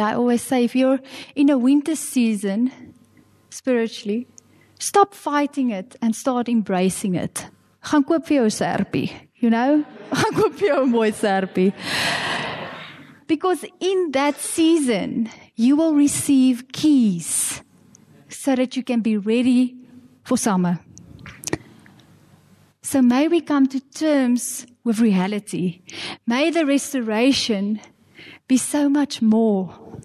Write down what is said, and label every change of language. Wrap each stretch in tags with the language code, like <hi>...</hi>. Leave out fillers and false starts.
<en>I always say, if you're in a winter season, spiritually, stop fighting it and start embracing it.</en> <af>Gaan koop vir jou serpie,</af> <en>you know?</en> <af>Gaan koop vir jou 'n mooi serpie.</af> <en>Because in that season, you will receive keys so that you can be ready for summer. So may we come to terms with reality. May the restoration be so much more.</en>